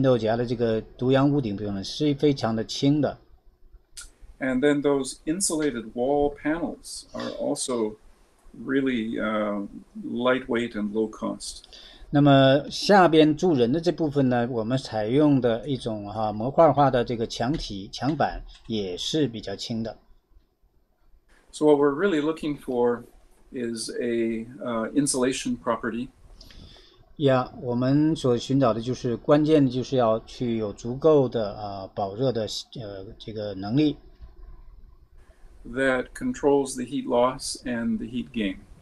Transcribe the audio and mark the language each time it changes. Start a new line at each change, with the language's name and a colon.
Chinese: 而且呢，我们的这个毒羊屋顶，这个就是金豆荚的这个毒羊屋顶部分是非常的轻的。
English: And then those insulated wall panels are also really lightweight and low cost.
Chinese: 那么下边住人的这部分呢，我们采用的一种模块化的这个墙体墙板也是比较轻的。
English: So what we're really looking for is a insulation property.
Chinese: Yeah, 我们所寻找的就是关键的就是要去有足够的保热的这个能力。
English: That controls the heat loss and the heat gain.